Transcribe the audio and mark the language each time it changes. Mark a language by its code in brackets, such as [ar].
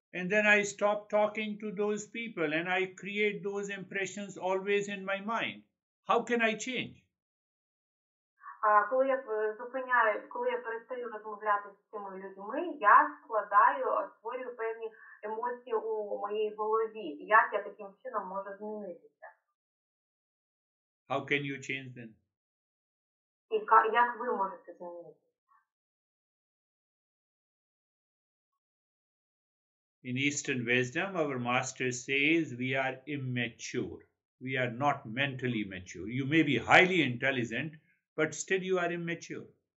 [en] And then I stop talking to those people and I create those impressions always in my mind. How can I change? [uk] Коли я перестаю розмовляти з цими людьми, я створюю певні емоції у моїй голові. Як я таким чином можу змінитися? [en] How can you change then? [uk] І як ви можете змінитися? [en] In Eastern wisdom, our master says we are immature. We are not mentally mature. You may be highly intelligent, but still you are immature.